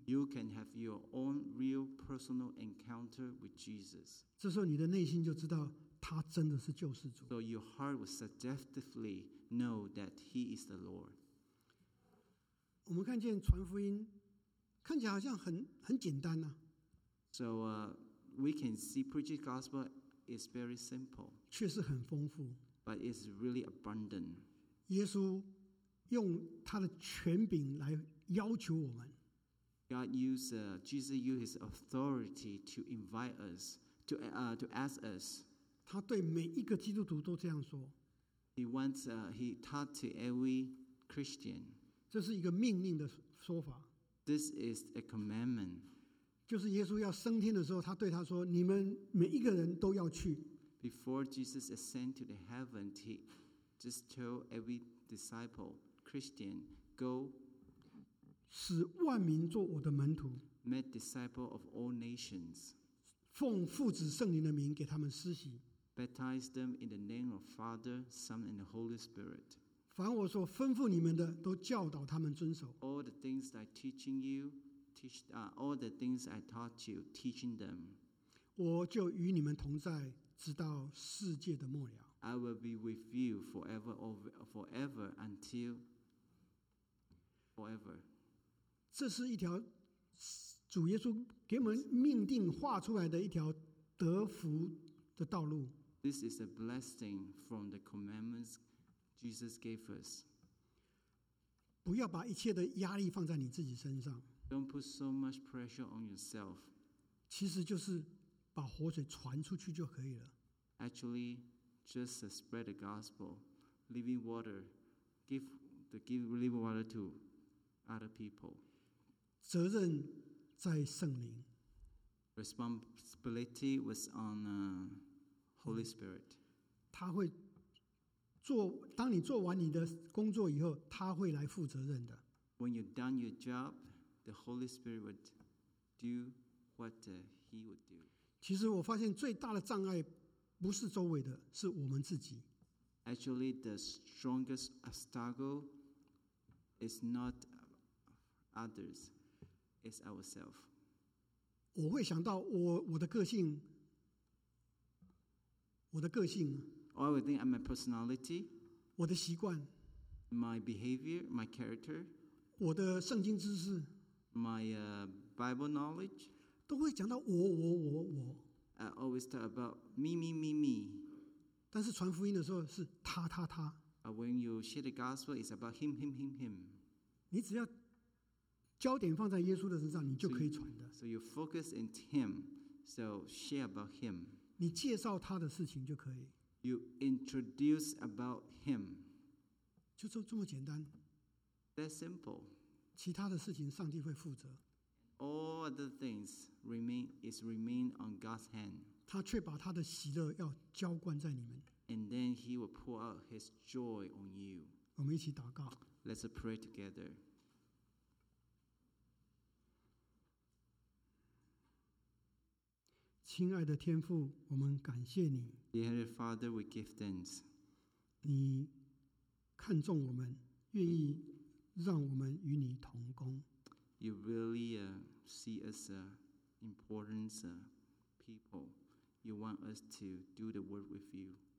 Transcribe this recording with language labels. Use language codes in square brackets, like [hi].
[en] You can have your own real personal encounter with Jesus. [zh] 这时候你的内心就知道。他真的是救世主。 [en] So your heart will subjectively know that he is the Lord. [zh] 我们看见传福音看起来好像很简单啊。 [en] So we can see preaching gospel is very simple. [zh] 确实很丰富。 [en] But it's really abundant. [zh] 耶稣用他的权柄来要求我们。 [en] God used Jesus used his authority to invite us to ask us. [zh] 他对每一个基督徒都这样说。 [en] He wants he talked to every Christian. [zh] 这是一个命令的说法。 [en] This is a commandment. [zh] 就是耶稣要升天的时候，他对他说：“你们每一个人都要去。” [en] Before Jesus ascended to the heaven, he just told every disciple Christian, "Go." [zh] 使万民做我的门徒。 [en] Make disciple of all nations. [zh] 奉父子圣灵的名给他们施洗。 [en] Baptize them in the name of Father, Son, and the Holy Spirit. [zh] 凡我所吩咐你们的，都教导他们遵守。 [en] All the things I teaching you, teach. All the things I taught you, teaching them. [zh] 我就与你们同在，直到世界的末了。 [en] I will be with you forever, forever until forever. [zh] 这是一条主耶稣给我们命定画出来的一条得福的道路。 [en] This is a blessing from the commandments Jesus gave us. [zh] 不要把一切的压力放在你自己身上。 [en] Don't put so much pressure on yourself. [zh] 其实就是把活水传出去就可以了。 [en] Actually, just spread the gospel, living water, give living water to other people. [zh] 责任在圣灵。 [en] Responsibility was on Holy Spirit. [zh] 他会做，当你做完你的工作以后，他会来负责任的。 [en] When you've done your job, the Holy Spirit would do what he would do. [zh] 其实我发现最大的障碍不是周围的，是我们自己。 [en] Actually, the strongest obstacle is not others, it's ourselves. [zh] 我会想到我的个性 [en] I would think I'm my personality, [zh] 我的习惯 [en] my behavior, my character, [zh] 我的圣经知识 [en] my Bible knowledge, [zh] 都会讲到我 [en] I always talk about me [zh] 但是传福音的时候是他 [en] When you share the gospel, it's about him [zh] 你只要焦点放在耶稣的身上，你就可以传的。 [en] So you focus in him, so share about him. [zh] 你介绍他的事情就可以。 [en] You introduce about him. [zh] 就这么简单。 [en] That simple. [zh] 其他的事情上帝会负责。 [en] All other things remain on God's hand. [zh] 他却把他的喜乐要浇灌在你们。 [en] And then he will pour out his joy on you. [zh] 我们一起祷告。 [en] Let's pray together. [zh] 亲爱的天父，我们感谢你。 [en] Dear Heavenly Father, we give thanks. [zh] 你看重我们，愿意让我们与你同工。 [en] You really see us important people. You want us to do the work with you.